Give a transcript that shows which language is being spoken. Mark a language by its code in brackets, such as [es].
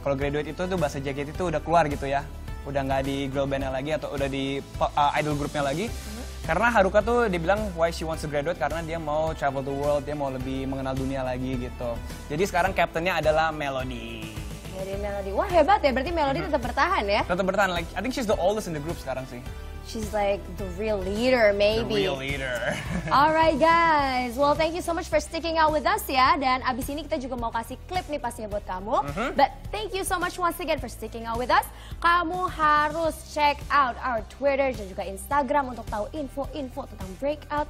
[id] Kalau graduate itu tuh bahasa JKT itu udah keluar gitu ya. Udah nggak di girl band-nya lagi atau udah di idol group-nya lagi. Karena Haruka tuh dibilang why she wants to graduate, karena dia mau travel the world, dia mau lebih mengenal dunia lagi gitu. Jadi sekarang captainnya adalah Melody. Jadi Melody, wah hebat ya, berarti Melody tetap bertahan ya? [en] Tetap bertahan, like I think she's the oldest in the group sekarang sih. She's like the real leader maybe. The real leader. Alright guys, well thank you so much for sticking out with us ya. [id] Dan abis ini kita juga mau kasih klip nih pastinya buat kamu. [en] But thank you so much once again for sticking out with us. [id] Kamu harus check out our Twitter dan juga Instagram untuk tahu info-info tentang Breakout.